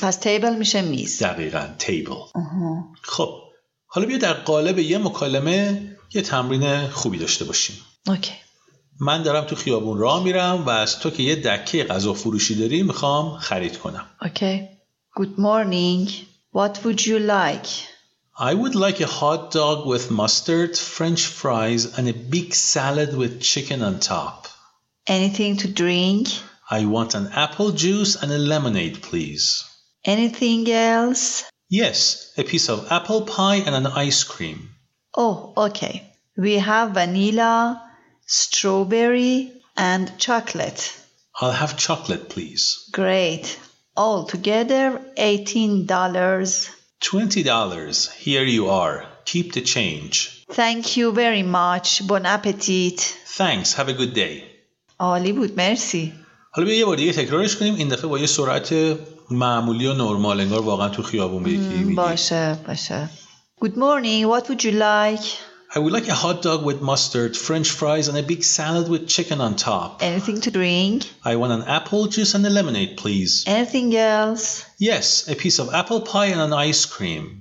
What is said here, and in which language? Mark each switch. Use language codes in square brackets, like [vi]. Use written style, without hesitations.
[fa] پس table میشه میز دقیقا table خب حالا بیا در قالب یه مکالمه یه تمرین خوبی داشته باشیم اوکی من دارم تو خیابون راه میرم و از تو که یه دکه غذا فروشی داری میخوام خرید کنم اوکی [en] Good morning. What would you like? I would like a hot dog with mustard, French fries, and a big salad with chicken on top. Anything to drink? I want an apple juice and a lemonade, please. Anything else? Yes, a piece of apple pie and an ice cream. Oh, okay. We have vanilla, strawberry, and chocolate. I'll have chocolate, please. Great. All together, $18. $20. Here you are. Keep the change. Thank you very much. Bon appetit. Thanks. Have a good day. [fa] عالی بود. مرسی. حالا بیا یه بار دیگه تکرارش کنیم. این دفعه با یه سرعت معمولی و نرمال انگار واقعا تو خیابون بگی. باشه. باشه. [en] Good morning. What would you like? I would like a hot dog with mustard, French fries and a big salad with chicken on top. Anything to drink? I want an apple juice and a lemonade, please. Anything else? Yes, a piece of apple pie and an ice cream.